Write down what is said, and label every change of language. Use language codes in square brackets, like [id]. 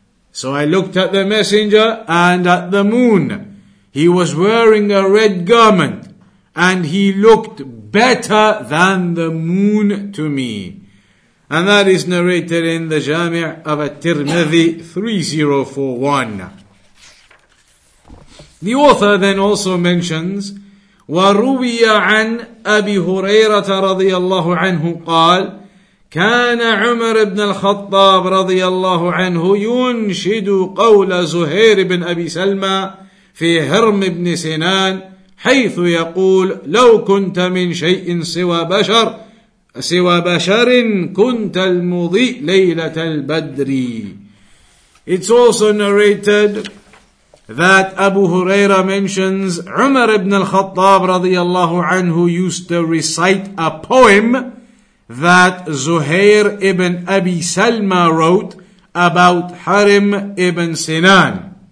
[en] So I looked at the Messenger and at the moon. He was wearing a red garment and he looked better than the moon to me. And that is narrated in the Jami' of At-Tirmidhi 3041. The author then also mentions, [ar] وَرُوِيَ عَنْ أَبِي هُرَيْرَةَ رَضِيَ اللَّهُ عَنْهُ قَالَ كان عمر بن الخطاب رضي الله عنه ينشد قول زهير بن أبي سلمى في هرم بن سنان حيث يقول لو كنت من شيء سوى بشر كنت المضيء ليلة البدر. [en] It's also narrated that Abu Huraira mentions عمر بن الخطاب رضي الله عنه used to recite a poem that Zuhair ibn Abi Salma wrote about Harim ibn Sinan.